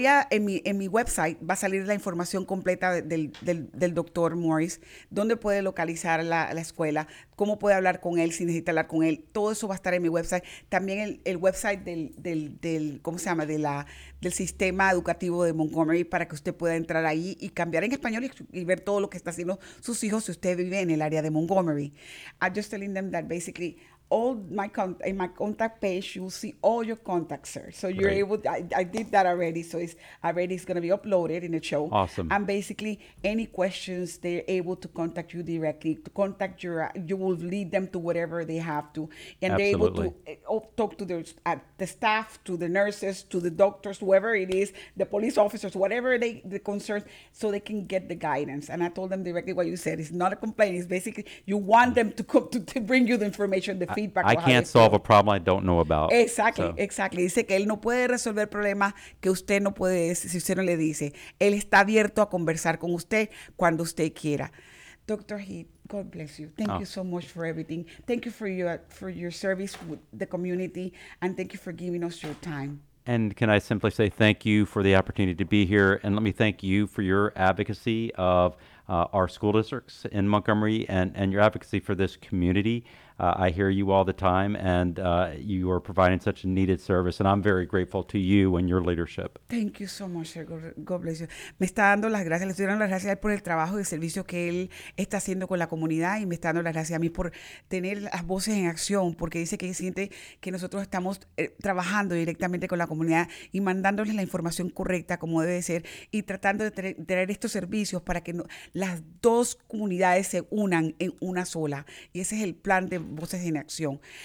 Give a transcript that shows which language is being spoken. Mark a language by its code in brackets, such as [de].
[es] En mi website va a salir la información completa del doctor Morris, dónde puede localizar la escuela, cómo puede hablar con él, si necesita hablar con él. Todo eso va a estar en mi website. También el website del sistema educativo de Montgomery para que usted pueda entrar ahí y cambiar en español y ver todo lo que está haciendo sus hijos si usted vive en el área de Montgomery. [en] I'm just telling them that basically all my contact, in my contact page, you'll see all your contacts, sir. So you're great. Able, to, I did that already. So it's already, it's going to be uploaded in the show. Awesome. And basically any questions, they're able to contact you directly to contact you will lead them to whatever they have to. And absolutely. They're able to talk to the staff, to the nurses, to the doctors, whoever it is, the police officers, whatever the concerns, so they can get the guidance. And I told them directly what you said. It's not a complaint. It's basically, you want them to come to bring you the information, the feedback. I can't solve a problem I don't know about. Exactly, so. Exactly. [es] Dice que él no puede resolver problemas que usted no puede, si usted no le dice. Él está abierto a conversar con usted cuando usted quiera. [en] Dr. Heath, God bless you. Thank you so much for everything. Thank you for your service with the community, and thank you for giving us your time. And can I simply say thank you for the opportunity to be here, and let me thank you for your advocacy of our school districts in Montgomery and your advocacy for this community. I hear you all the time, and you are providing such a needed service, and I'm very grateful to you and your leadership. Thank you so much, sir. God bless you. [es] Me está dando las gracias, le estoy dando las gracias por el trabajo y el servicio que él está haciendo con la comunidad, y me está dando las gracias a mí por tener las voces en acción, porque dice que siente que nosotros estamos trabajando directamente con la comunidad y mandándoles la información correcta como debe ser, y tratando de traer estos servicios para que las dos comunidades se unan en una sola, y ese es el plan de Voces en Acción.